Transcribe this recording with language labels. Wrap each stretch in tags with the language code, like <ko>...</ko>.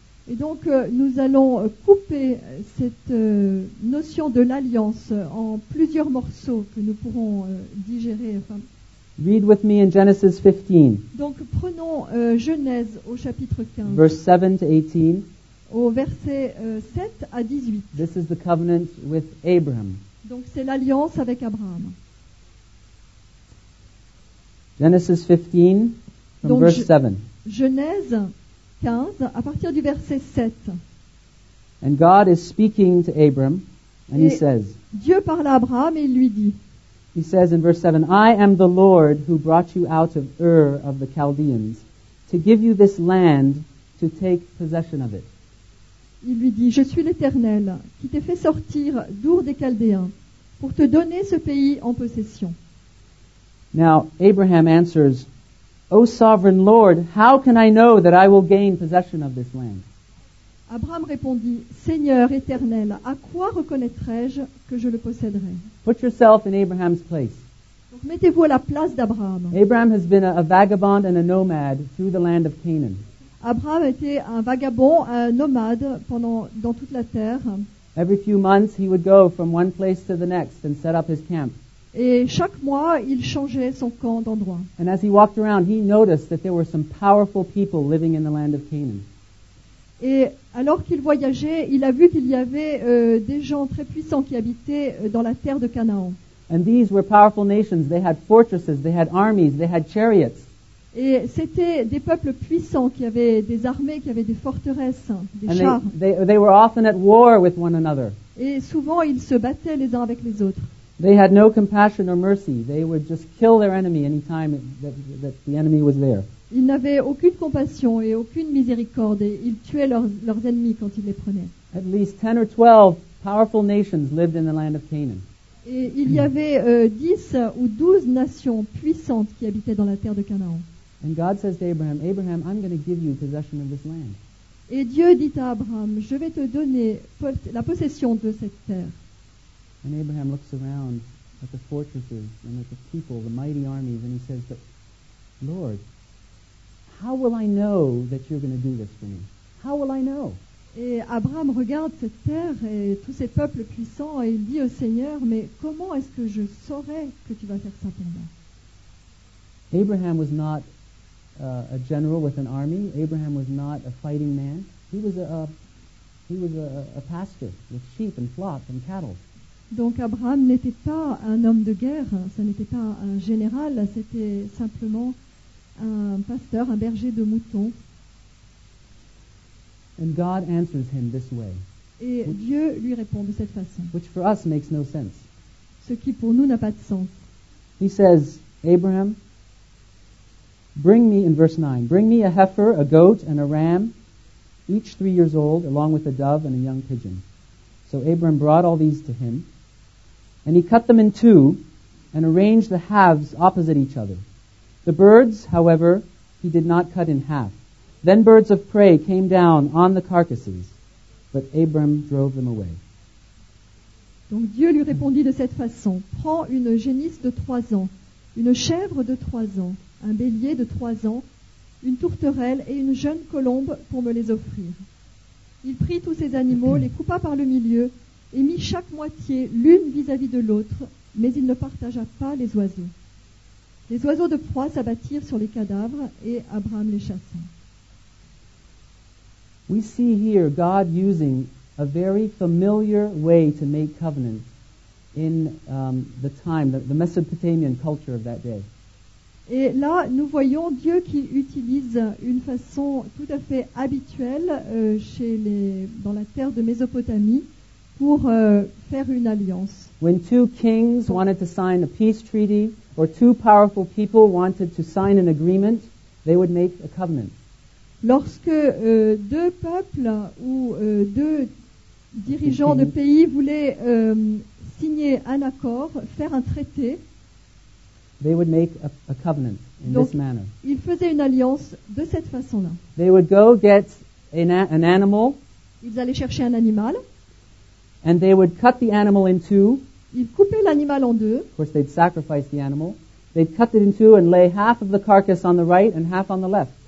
<fr>Et donc nous allons couper cette notion de l'alliance en plusieurs morceaux que nous pourrons digérer.</fr> <en>Read with me in Genesis 15.</en> <fr>Donc prenons Genèse au chapitre 15.</fr> <en>Verse 7 to 18.</en> <fr>Au verset 7 à 18.</fr> <en>This is the covenant with Abraham.</en> <fr>Donc c'est l'alliance avec Abraham.</fr> <en>Genesis 15, from</en> <fr>donc,</fr> <en>verse 7.</en> <fr>Genèse 15, à partir du verset 7.</fr> <en>And God is speaking to Abram, and</en> <fr>et</fr> <en>he says,</en> <fr>Dieu parle à Abraham et il lui dit,</fr> <en>he says in verse 7, "I am the Lord who brought you out of Ur of the Chaldeans to give you this land to take possession of it."</en> <fr>Il lui dit, « Je suis l'Éternel qui t'ai fait sortir d'Ur des Chaldéens pour te donner ce pays en possession. »</fr> <en>Now, Abraham answers, « O sovereign Lord, how can I know that I will gain possession of this land? »</en> <fr>Abraham répondit, « Seigneur éternel, à quoi reconnaîtrais-je que je le posséderai ?»</fr> <en>Put yourself in Abraham's place.</en> <fr>Donc mettez-vous à la place d'Abraham.</fr> <en>Abraham has been a vagabond and a nomad through the land of Canaan.</en> <fr>Abraham était un vagabond, un nomade pendant dans toute la terre.</fr> <en>Every few months he would go from one place to the next and set up his camp.</en> <fr>Et chaque mois, il changeait son camp d'endroit.</fr> <en>And as he walked around, he noticed that there were some powerful people living in the land of Canaan.</en> <fr>Et alors qu'il voyageait, il a vu qu'il y avait des gens très puissants qui habitaient dans la terre de Canaan.</fr> <en>And these were powerful nations. They had fortresses, they had armies, they had chariots.</en> <fr>Et c'était des peuples puissants qui avaient des armées, qui avaient des forteresses, des chars.</fr> <en>They were often at war with one another.</en> <fr>Et souvent, ils se battaient les uns avec les autres.</fr> <en>They had no compassion or mercy. They would just kill their enemy any time that the enemy was there.</en> <fr>Ils n'avaient aucune compassion et aucune miséricorde et ils tuaient leurs ennemis quand ils les prenaient.</fr> <en>At least 10 or 12 powerful nations lived in the land of Canaan.</en> <fr>Et il y avait 10 ou 12 nations puissantes qui habitaient dans la terre de Canaan.</fr> <en>And God says to Abraham, "Abraham, I'm going to give you possession of this land."</en> <fr>Et Dieu dit à Abraham, je vais te donner la possession de cette terre.</fr> <en>And Abraham looks around at the fortresses and at the people, the mighty armies, and he says, "But Lord, how will I know that you're going to do this for me? How will I know?"</en> <fr>Et Abraham regarde cette terre et tous ces peuples puissants et il dit au Seigneur, mais comment est-ce que je saurai que tu vas faire ça pour moi?</fr> <en>Abraham was not a general with an army. Abraham was not a fighting man. He was a pastor with sheep and flocks and cattle.</en> <fr>Donc Abraham n'était pas un homme de guerre, ce n'était pas un général, c'était simplement un pasteur, un berger de moutons.</fr> <en>And God answers him this way.</en> <fr>Et</fr> <en>which,</en> <fr>Dieu lui répond de cette façon.</fr> <en>Which for us makes no sense.</en> <fr>Ce qui pour nous n'a pas de sens.</fr> <en>He says, Abraham, bring me, in verse 9, bring me a heifer, a goat, and a ram, each 3 years old, along with a dove and a young pigeon. So Abraham brought all these to him, and he cut them in two, and arranged the halves opposite each other. The birds, however, he did not cut in half. Then birds of prey came down on the carcasses, but Abraham drove them away.</en> <fr>Donc Dieu lui répondit de cette façon. Prends une génisse de 3 ans, une chèvre de 3 ans, un bélier de 3 ans, une tourterelle et une jeune colombe pour me les offrir. Il prit tous ces animaux, les coupa par le milieu et mit chaque moitié l'une vis-à-vis de l'autre, mais il ne partagea pas les oiseaux. Les oiseaux de proie s'abattirent sur les cadavres et Abraham les chassa.</fr> <en>We see here God using a very familiar way to make covenant in the time, the Mesopotamian culture of that day.</en> <fr>Et là, nous voyons Dieu qui utilise une façon tout à fait habituelle dans la terre de Mésopotamie pour faire une alliance.</fr> <en>When two kings wanted to sign a peace treaty, or two powerful people wanted to sign an agreement, they would make a covenant.</en> <fr>Lorsque deux peuples ou deux dirigeants de pays voulaient signer un accord, faire un traité,</fr> <en>they would make a covenant in</en> <fr>donc,</fr> <en>this manner.</en> <fr>Ils faisaient une alliance de cette façon-là.</fr> <en>They would go get an animal.</en> <fr>Ils allaient chercher un animal.</fr> <en>And they would cut the animal in two.</en> <fr>Ils coupaient l'animal en deux.</fr> <en>Of course, they'd sacrifice the animal. They'd cut it in two and lay half of the carcass on the right and half on the left.</en>